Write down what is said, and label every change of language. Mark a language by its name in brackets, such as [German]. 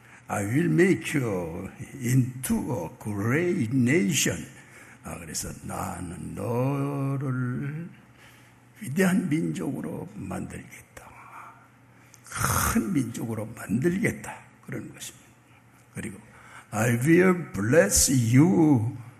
[English] I will make you into a great nation. [Korean] 그래서 나는 너를 위대한 민족으로 만들겠다. 큰 민족으로 만들겠다. 그런 것입니다. [English] 그리고 I will bless you.